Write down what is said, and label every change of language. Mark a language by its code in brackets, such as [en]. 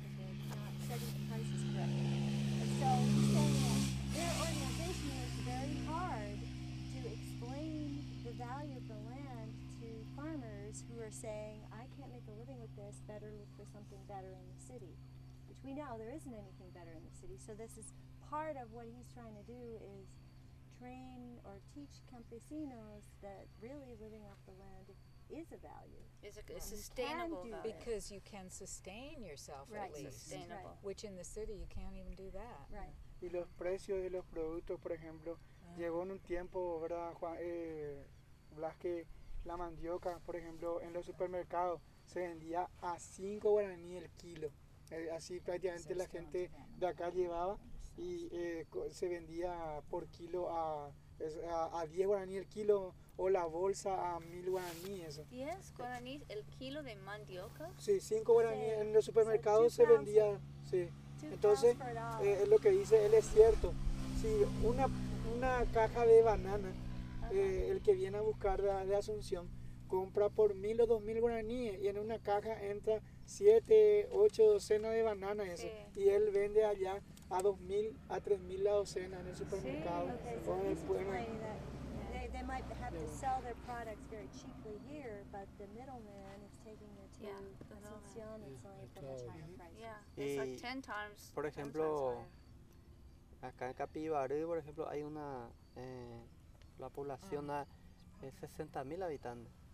[en] That they're not setting the prices correctly. And so he's saying that their organization is very hard to explain the value of the land to farmers who are saying, I can't make a living with this, better look for something better in the city. Which we know there isn't anything better in the city. So this is part of what he's trying to do is train or teach campesinos that really living off the land is a value. Is a sustainable value. Because you can sustain yourself, right, at least. Sustainable. Right. Which in the city you can't even do that. Right. [es] Y los precios de los productos, por ejemplo, llegó en un tiempo, ¿verdad, Juan? Blas, que la mandioca, por ejemplo, en los supermercados se vendía a 5 guaraníes el kilo. Así prácticamente la gente de acá llevaba y se vendía por kilo a 10 guaraníes el kilo o la bolsa a 1000 guaraníes. ¿10 guaraníes el kilo de mandioca? Sí, 5 guaraníes en los supermercados se vendía. Sí. Entonces, lo que dice él es cierto. Si una caja de banana, el que viene a buscar de Asunción, compra por 1000 o 2000 guaraníes, y en una caja entra 7, 8 docenas de bananas, eso, sí. Y él vende allá a 2000, a 3000 la docena en el supermercado. [en] Sí, okay, so he's explaining that they might have to sell their products very cheaply here, but the middleman is taking it to Asunción and selling it for a much higher price. Yeah, it's like 10 times. [es] Por ejemplo, acá en Capibaribe, por ejemplo, hay una la población es 60,000 habitantes.